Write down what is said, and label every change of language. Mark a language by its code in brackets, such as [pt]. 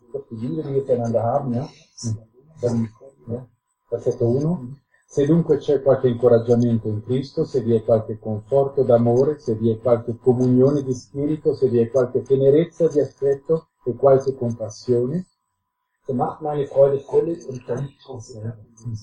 [de] Die Liebe, die wir füreinander haben, ja? Dann, ja? Das hätte uno. [it] Se dunque c'è qualche incoraggiamento in Cristo, se vi è qualche conforto d'amore, se vi è qualche comunione di spirito, se vi è qualche tenerezza di affetto e qualche compassione, [de] so macht meine Freude völlig und ganz aus Herzen.